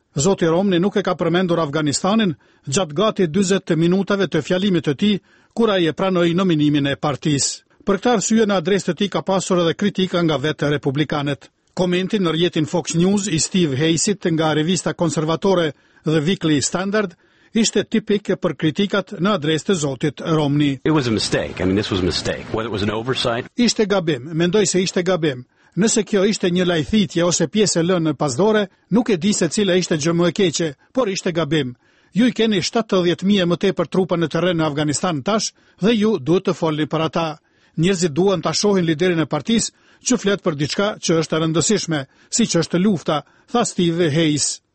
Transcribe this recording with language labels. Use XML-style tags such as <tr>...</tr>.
<sq>Zoti Romney nuk e ka përmendur Afganistanin gjatë gati 40 minutave të fjalimit të tij kur ai e pranoi nominimin e partisë. Për këtë arsye në adresë të tij ka pasur edhe kritika nga vetë republikanët. Komentin në rrjetin Fox News i Steve Hayesit nga revista konservatore The Weekly Standard ishte tipik për kritikat në adresë të zotit Romney.</sq> <en>It was a mistake. I mean this was a mistake. Whether it was an oversight.</en> <sq>Ishte gabim. Mendoj se ishte gabim. Nëse kjo ishte një lajthitje ose pjesë e lënë në pasdore, nuk e di se cila ishte gjë më e keqe, por ishte gabim. Ju i keni 70,000 më tepër trupa në terren në Afganistan tash dhe ju duhet të folni për ata. Njerëzit duan ta shohin liderin e partisë që flet për diçka që është e rëndësishme, siç është lufta, tha Steve Hayes.</sq>